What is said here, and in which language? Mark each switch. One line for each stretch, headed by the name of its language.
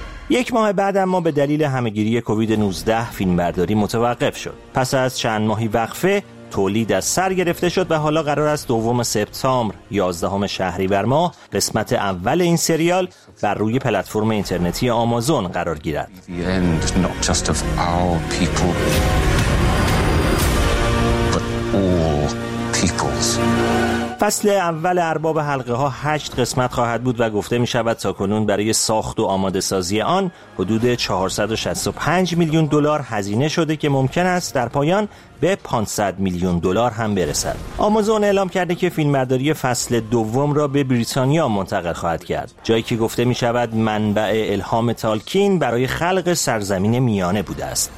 Persian: یک ماه بعد اما به دلیل همگیری کووید 19 فیلمبرداری متوقف شد. پس از چند ماهی وقفه تولید از سر گرفته شد و حالا قرار است 2 سپتامبر، 11 شهریور ماه، قسمت اول این سریال بر روی پلتفرم اینترنتی آمازون قرار گیرد.
English: The end not just of our people, but all peoples.
Persian: فصل اول ارباب حلقه ها 8 قسمت خواهد بود و گفته می شود تا کنون برای ساخت و آماده سازی آن حدود 465 میلیون دلار هزینه شده که ممکن است در پایان به 500 میلیون دلار هم برسد. آمازون اعلام کرده که فیلمبرداری فصل دوم را به بریتانیا منتقل خواهد کرد، جایی که گفته می شود منبع الهام تالکین برای خلق سرزمین میانه بوده است.